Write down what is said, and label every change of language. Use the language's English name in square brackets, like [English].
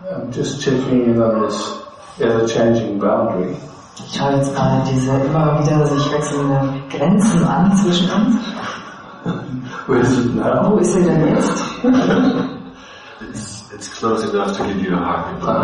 [English] Just checking in on this ever-changing boundary. [German] Ich schaue jetzt gerade diese immer wieder sich wechselnde Grenzen an zwischen uns. [English] Where is it now? [German] Wo ist sie denn jetzt? [English] It's close enough to give you a hug.